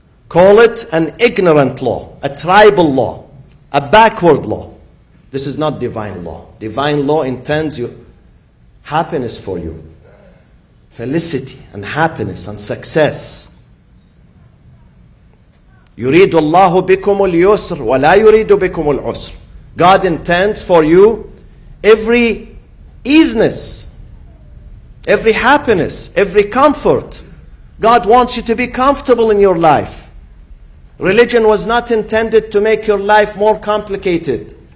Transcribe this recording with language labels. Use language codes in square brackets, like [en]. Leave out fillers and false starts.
[en] Call it an ignorant law, a tribal law, a backward law. This is not divine law. Divine law intends your happiness for you. felicity and happiness and success. [ar] يريد الله بكم اليسر ولا يريد بكم العسر. [en] God intends for you every easiness, every happiness, every comfort. God wants you to be comfortable in your life. Religion was not intended to make your life more complicated.